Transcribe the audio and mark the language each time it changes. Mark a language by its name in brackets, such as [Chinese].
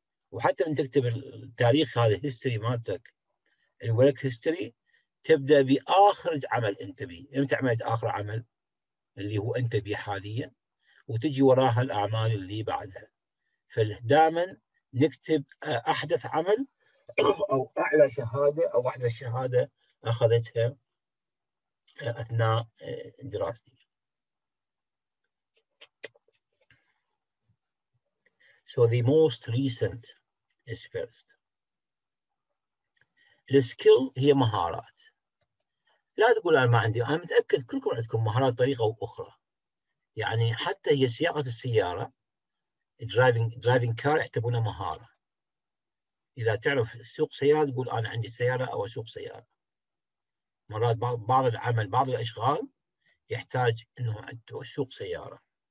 [Arabic] وحتى ان تكتب التاريخ هذا هيستوري مالتك الورك هيستوري تبدا باخر عمل انت بيه، امتى عملت اخر عمل اللي هو أنت بي حاليا، وتجي وراها الأعمال اللي بعدها. فدائما نكتب أحدث عمل أو أعلى شهادة أو أحدث شهادة أخذتها أثناء دراستي. [English] So the most recent is first. The skill [Arabic] هي مهارات، لا تقول انا ما عندي، انا متاكد كلكم عندكم مهارات طريقه او اخرى. يعني حتى هي سياقه السياره، درايفنج كار، يحتاجونها مهاره. اذا تعرف سوق سياره تقول انا عندي سياره او اسوق سياره. مرات بعض العمل، بعض الاشغال يحتاج انه تسوق سياره.